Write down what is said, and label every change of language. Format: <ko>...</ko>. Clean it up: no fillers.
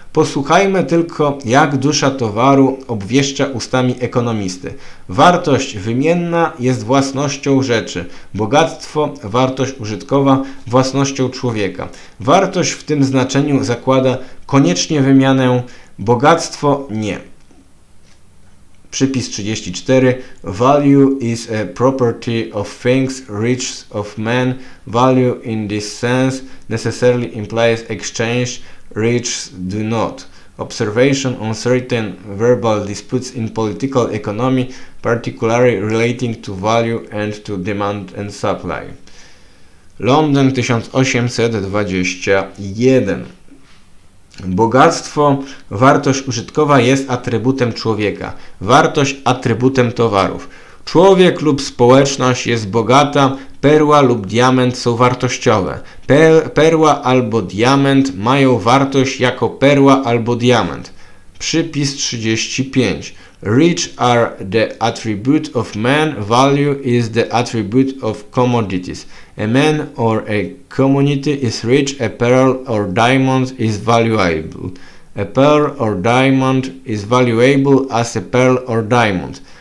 <pl>Posłuchajmy tylko, jak dusza towaru obwieszcza ustami ekonomisty. Wartość wymienna jest własnością rzeczy, bogactwo, wartość użytkowa, własnością człowieka. Wartość w tym znaczeniu zakłada koniecznie wymianę, bogactwo nie. Przypis 34.</pl> <en>Value is a property of things, riches of men. Value in this sense necessarily implies exchange. Riches do not. Observation on certain verbal disputes in political economy, particularly relating to value and to demand and supply. London 1821.</en> <pl>Bogactwo, wartość użytkowa jest atrybutem człowieka. Wartość atrybutem towarów. Człowiek lub społeczność jest bogata, perła lub diament są wartościowe. Perła albo diament mają wartość jako perła albo diament. Przypis 35.</pl> <en>Rich are the attribute of man, value is the attribute of commodities. A man or a commodity is rich, a pearl or diamond is valuable. A pearl or diamond is valuable as a pearl or diamond.</en>